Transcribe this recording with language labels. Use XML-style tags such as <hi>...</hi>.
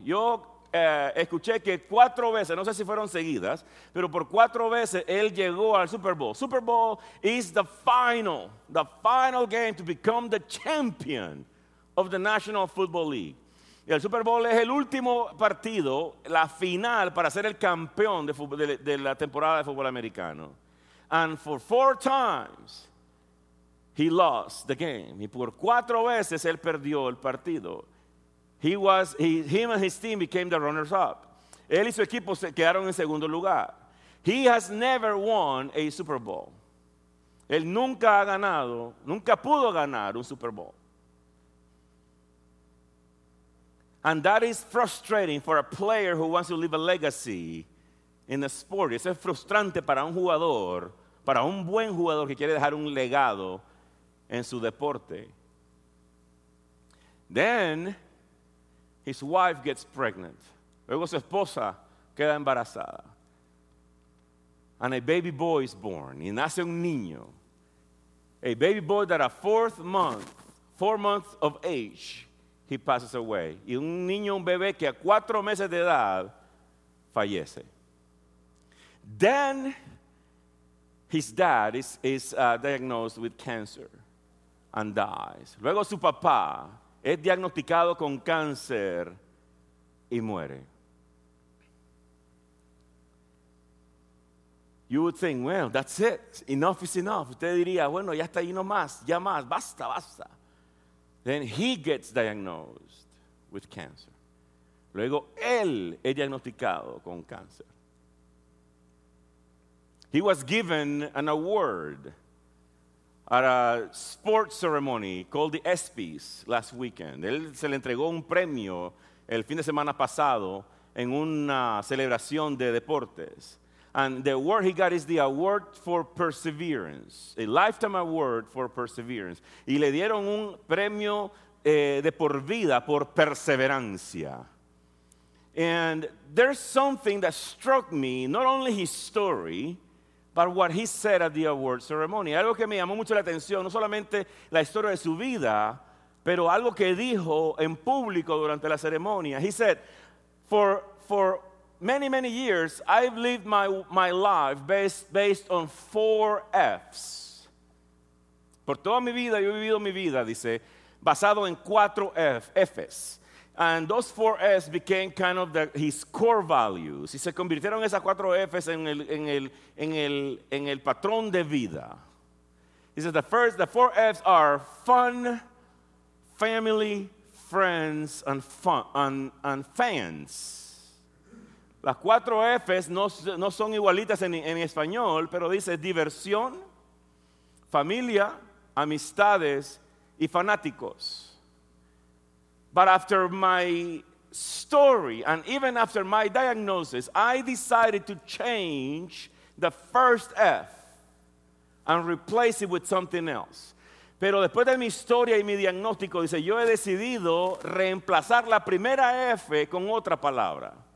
<es>Yo escuché que cuatro veces, no sé si fueron seguidas, pero por cuatro veces él llegó al Super Bowl.</es> <en>Super Bowl is the final game to become the champion of the National Football League.</en> <es>El Super Bowl es el último partido, la final para ser el campeón de la temporada de fútbol americano.</es> <en>And for four times, he lost the game.</en> <es>Y por cuatro veces él perdió el partido.</es> <en>Him and his team became the runners-up.</en> <es>Él y su equipo se quedaron en segundo lugar.</es> <en>He has never won a Super Bowl.</en> <es>Él nunca ha ganado, nunca pudo ganar un Super Bowl.</es> <en>And that is frustrating for a player who wants to leave a legacy in the sport.</en> <es>Eso es frustrante para un buen jugador que quiere dejar un legado en su deporte.</es> <en>Then his wife gets pregnant.</en> <es>Luego su esposa queda embarazada.</es> <en>And a baby boy is born.</en> <es>Y nace un niño.</es> <en>A baby boy that at four months of age, he passes away.</en> <es>Y un niño, un bebé que a 4 meses de edad fallece.</es> <en>Then his dad is diagnosed with cancer and dies.</en> <es>Luego su papá es diagnosticado con cáncer y muere.</es> <en>You would think, well, that's it. Enough is enough.</en> <es>Usted diría, bueno, ya está ahí nomás, ya más, basta, basta.</es> <en>Then he gets diagnosed with cancer.</en> <es>Luego él es diagnosticado con cáncer.</es> <en>He was given an award at a sports ceremony called the ESPYs last weekend.</en> <es>Él se le entregó un premio el fin de semana pasado en una celebración de deportes.</es> <en>And the award he got is the award for perseverance, a lifetime award for perseverance.</en> <es>Y le dieron un premio de por vida por perseverancia.</es> <en>And there's something that struck me, not only his story, but what he said at the award ceremony.</en> <es>Algo que me llamó mucho la atención, no solamente la historia de su vida, pero algo que dijo en público durante la ceremonia.</es> <en>He said, for many, many years, I've lived my life based on 4 F's.</en> <es>Por toda mi vida, yo he vivido mi vida, dice, basado en 4 F's.</es> <en>And those 4 F's became kind of his core values.</en> <es>Y se convirtieron esas 4 F's en el patrón de vida.</es> <en>He says the 4 F's are fun, family, friends, and fans.</en> <es>Las 4 F's no son igualitas en español, pero dice diversión, familia, amistades y fanáticos.</es> <en>But after my story and even after my diagnosis, I decided to change the first F and replace it with something else.</en> <es>Pero después de mi historia y mi diagnóstico, dice, yo he decidido reemplazar la primera F con otra palabra.</es>